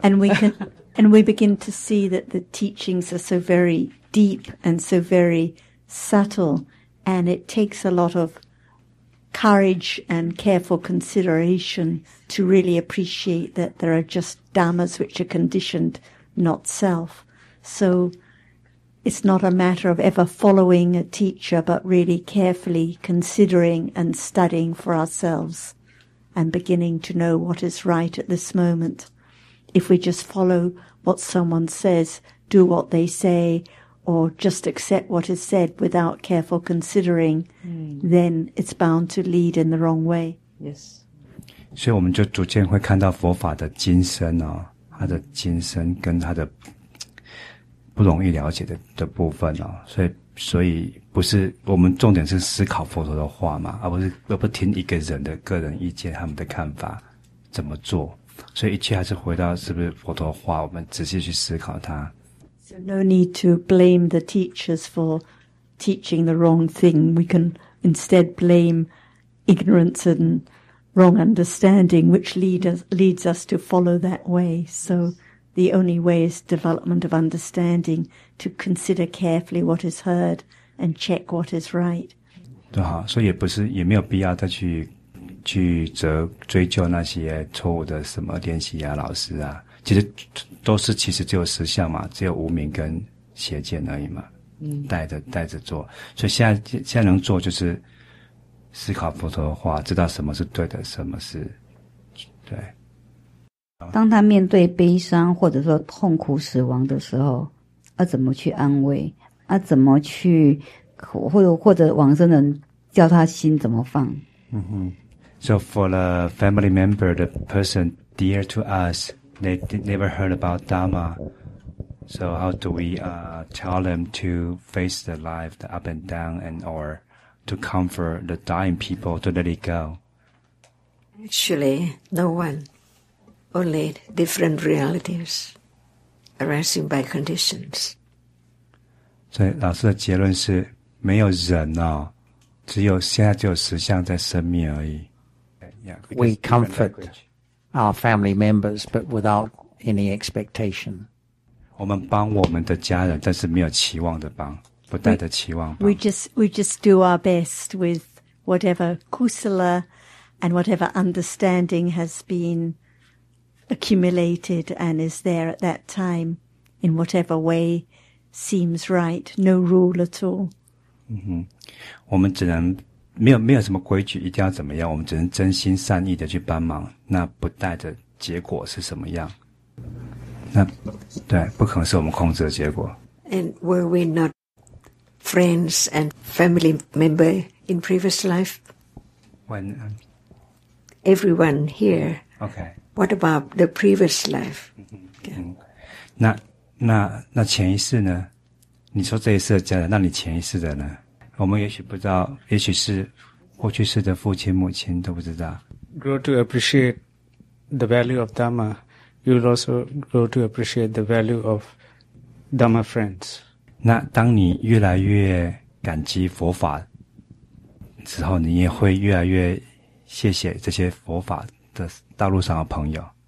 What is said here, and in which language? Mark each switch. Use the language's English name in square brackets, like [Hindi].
[English] And we can, and we begin to see that the teachings are so very deep and so very subtle, and it takes a lot of courage and careful consideration to really appreciate that there are just dhammas which are conditioned, not self. So it's not a matter of ever following a teacher, but really carefully considering and studying for ourselves and beginning to know what is right at this moment. If we just follow what someone says, do what they say, or just accept what is said without careful considering, then it's bound to lead in the wrong way. Yes. [Chinese] 所以我们就逐渐会看到佛法的精深哦，它的精深跟它的不容易了解 的部分哦。所以不是我们重点是思考佛陀的话嘛，而不是听一个人的个人意见，他们的看法怎么做。所以一切还是回到是不是佛陀的话，我们仔细去思考它。 [English] No need to blame the teachers for teaching the wrong thing. We can instead blame ignorance and wrong understanding, which leads us to follow that way. So the only way is development of understanding, to consider carefully what is heard and check what is right. [Chinese] 对哈，所以也没有必要再去追究那些错误的什么练习啊，老师啊。其实都是其实只有实相嘛，只有无明跟邪见而已嘛，带着做。所以现在能做就是思考佛陀的话，知道什么是对的，什么是对。当他面对悲伤或者说痛苦死亡的时候，要怎么去安慰？要怎么去或者往生人叫他心怎么放？ [English] 嗯哼。So for the family member, the person dear to us,They never heard about Dharma, so how do we tell them to face the life, the up and down, and or to comfort the dying people to let it go? Actually, no one. Only different realities arising by conditions. [Chinese] 所以老师的结论是没有人哦，只有现在只有实相在生命而已。 [English] Yeah, we comfort. Our family members, but without any expectation. [Chinese] 我们帮我们的家人，但是没有期望的帮，不带着期望帮。 [English] We just do our best with whatever kusala and whatever understanding has been accumulated and is there at that time in whatever way seems right. No rule at all. [Chinese] 嗯哼，我们只能。没有什么规矩一定要怎么样，我们只能真心善意的去帮忙，那不带的结果是什么样，那对不可能是我们控制的结果。 [English] And were we not friends and family member in previous life? When everyone here. Okay. What about the previous life? Okay. [Chinese] 那前一世呢，你说这一世的家人，那你前一世的呢，我们也许不知道，也许是过去世的父亲母亲都不知道。 [English] Grow to appreciate the value of Dhamma, you will also grow to appreciate the value of Dhamma friends. [Chinese] 那当你越来越感激佛法之后，你也会越来越谢谢这些佛法的道路上的朋友。